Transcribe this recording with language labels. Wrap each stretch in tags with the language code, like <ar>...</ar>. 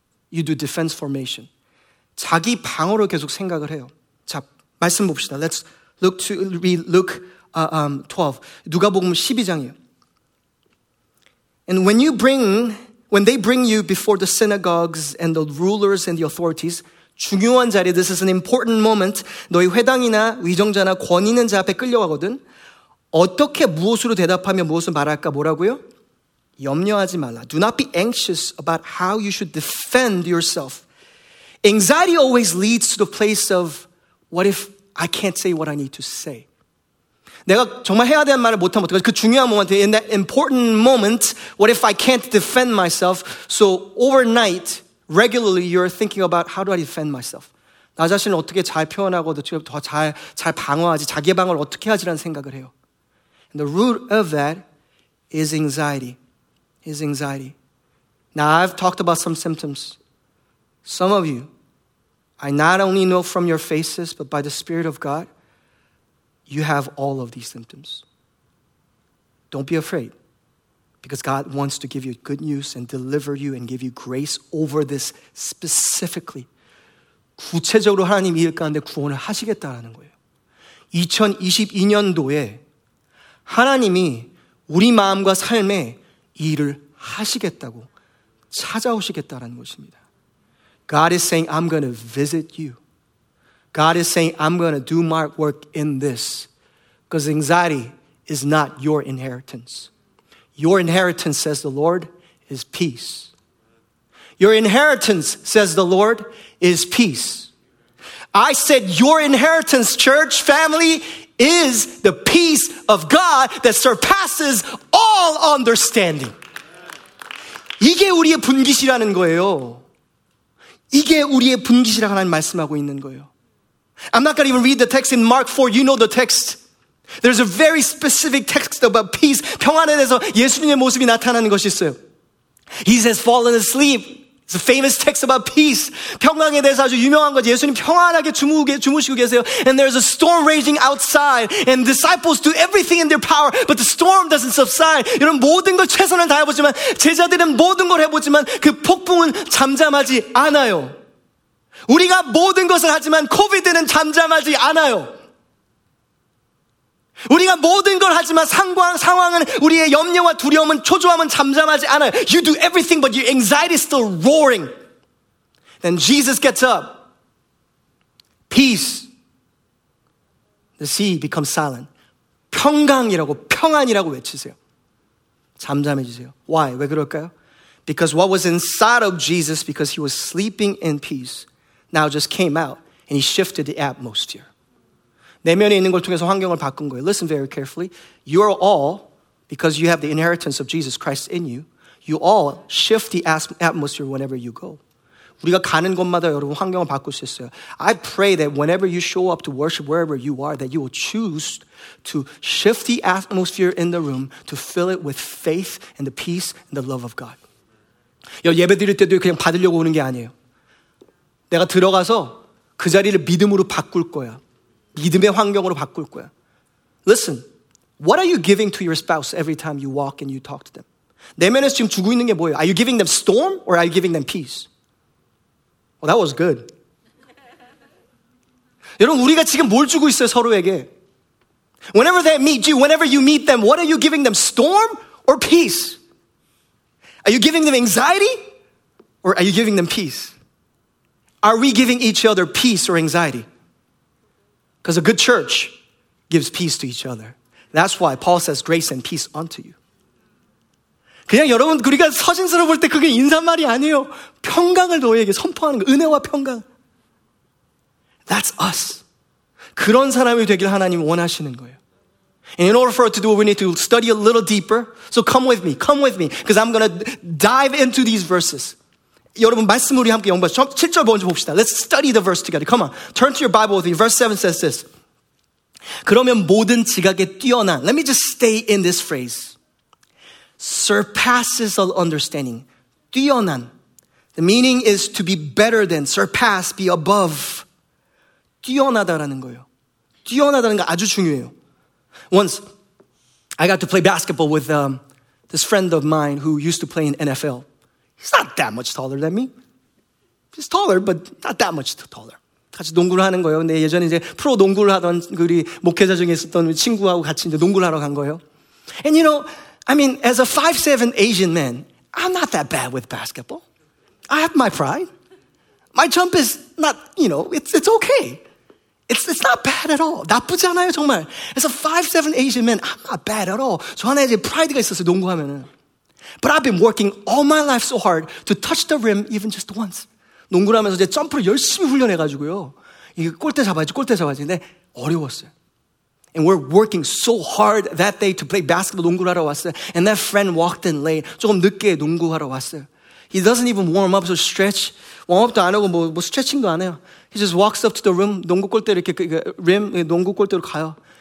<en>You do defense formation.</en> <ko>자기 방어로 계속 생각을 해요. 자, 말씀 봅시다.</ko> <en>Let's look to read Luke 12.</en> <ko>누가복음 12장이에요.</ko> <en>And when they bring you before the synagogues and the rulers and the authorities</en> <ko>중요한 자리,</ko> <en>this is an important moment.</en> <ko>너희 회당이나 위정자나 권위 있는 자 앞에 끌려가거든. 어떻게 무엇으로 대답하며 무엇을 말할까? 뭐라고요? 염려하지 말라.</ko> <en>Do not be anxious about how you should defend yourself. Anxiety always leads to the place of what if I can't say what I need to say.</en> <ko>내가 정말 해야 되는 말을 못하면 어떡하지? 그 중요한</ko> <en>moment, in that important moment, what if I can't defend myself? So overnight, regularly, you're thinking about how do I defend myself?</en> <ko>나 자신을 어떻게 잘 표현하고 더 잘 방어하지, 자기 방어를 어떻게 하지라는 생각을 해요.</ko> <en>And the root of that is anxiety. Is anxiety. Now, I've talked about some symptoms. Some of you, I not only know from your faces, but by the Spirit of God, you have all of these symptoms. Don't be afraid, because God wants to give you good news and deliver you and give you grace over this specifically.</en> <ko>구체적으로 하나님 일 가운데 구원을 하시겠다라는 거예요. 2022년도에 하나님이 우리 마음과 삶에 이 일을 하시겠다고 찾아오시겠다라는 것입니다.</ko> <en>God is saying, I'm going to visit you. God is saying, I'm going to do my work in this. Because anxiety is not your inheritance. Your inheritance, says the Lord, is peace. Your inheritance, says the Lord, is peace. I said your inheritance, church, family, is the peace of God that surpasses all understanding.</en> <ko>이게 우리의 분깃이라는 거예요. 이게 우리의 분깃이라고 하나님 말씀하고 있는 거예요.</ko> <en>I'm not going to even read the text in Mark 4. You know the text. There's a very specific text about peace.</en> <ko>평안에 대해서 예수님의 모습이 나타나는 것이 있어요.</ko> <en>He has fallen asleep. It's a famous text about peace.</en> <ko>평강에 대해서 아주 유명한 거죠. 예수님 평안하게 주무시고 계세요.</ko> <en>And there's a storm raging outside. And disciples do everything in their power. But the storm doesn't subside.</en> <ko>여러분 모든 걸 최선을 다해보지만 제자들은 모든 걸 해보지만 그 폭풍은 잠잠하지 않아요. 우리가 모든 것을 하지만 코비드는 잠잠하지 않아요. 우리가 모든 걸 하지만 상황은 우리의 염려와 두려움은 초조함은 잠잠하지 않아요.</ko> <en>You do everything but your anxiety is still roaring. Then Jesus gets up. Peace. The sea becomes silent.</en> <ko>평강이라고 평안이라고 외치세요. 잠잠해지세요.</ko> <en>Why?</en> <ko>왜 그럴까요?</ko> <en>Because what was inside of Jesus, because he was sleeping in peace, now just came out and he shifted the atmosphere.</en> <ko>내면에 있는 걸 통해서 환경을 바꾼 거예요.</ko> <en>Listen very carefully. You are all, because you have the inheritance of Jesus Christ in you, you all shift the atmosphere whenever you go.</en> <ko>우리가 가는 곳마다 여러분 환경을 바꿀 수 있어요.</ko> <en>I pray that whenever you show up to worship wherever you are, that you will choose to shift the atmosphere in the room to fill it with faith and the peace and the love of God.</en> <ko>예배 드릴 때도 그냥 받으려고 오는 게 아니에요. 내가 들어가서 그 자리를 믿음으로 바꿀 거야. 믿음의 환경으로 바꿀 거야.</ko> <en>Listen, what are you giving to your spouse every time you walk and you talk to them?</en> <ko>내면에서 지금 주고 있는 게 뭐예요?</ko> <en>Are you giving them storm or are you giving them peace? Well, that was good.</en> <ko>여러분, 우리가 지금 뭘 주고 있어요, 서로에게?</ko> <en>Whenever they meet you, whenever you meet them, what are you giving them, storm or peace? Are you giving them anxiety or are you giving them peace? Are we giving each other peace or anxiety? Because a good church gives peace to each other. That's why Paul says grace and peace unto you.</en> <ko>그냥 여러분 우리가 서신서를 볼 때 그게 인사말이 아니에요. 평강을 너에게 선포하는 거. 은혜와 평강.</ko> <en>That's us.</en> <ko>그런 사람이 되길 하나님 원하시는 거예요.</ko> <en>And in order for us to do it, we need to study a little deeper. So come with me. Come with me. Because I'm going to dive into these verses.</en> <ko>여러분 말씀 우리 함께 연구하죠. 7절 먼저 봅시다.</ko> <en>Let's study the verse together. Come on. Turn to your Bible with me. Verse 7 says this.</en> <ko>그러면 모든 지각에 뛰어난.</ko> <en>Let me just stay in this phrase. Surpasses all understanding.</en> <ko>뛰어난.</ko> <en>The meaning is to be better than, surpass, be above.</en> <ko>뛰어나다라는 거예요. 뛰어나다는 거 아주 중요해요.</ko> <en>Once, I got to play basketball with this friend of mine who used to play in NFL. He's not that much taller than me. He's taller, but not that much taller.</en> <ko>같이 농구를 하는 거예요. 근데 예전에 이제 프로 농구를 하던 우리 목회자 중에 있었던 친구하고 같이 이제 농구를 하러 간 거예요.</ko> <en>And you know, I mean, as a 5'7 Asian man, I'm not that bad with basketball. I have my pride. My jump is not, you know, it's okay. It's not bad at all.</en> <ko>나쁘지 않아요, 정말.</ko> <en>As a 5'7 Asian man, I'm not bad at all.</en> <ko>저 하나 이제 프라이드가 있었어요, 농구하면은.</ko> <en>But I've been working all my life so hard to touch the rim even just once.</en> <ko>농구를 하면서 이제 점프를 열심히 훈련해가지고요. 이게 골대 잡아야지, 골대 잡아야지. 근데 어려웠어요.</ko> <en>And we're working so hard that day to play basketball,</en> <ko>농구를 하러 왔어요.</ko> <en>And that friend walked in late,</en> <ko>조금 늦게 농구하러 왔어요.</ko> <en>He doesn't even warm up, so stretch.</en> <ko>Warm-up도 안 하고 뭐 스트레칭도 안 해요.</ko> <en>He just walks up to the rim,</en> <ko>농구 골대 이렇게, rim, 농구 골대로 가요.</ko>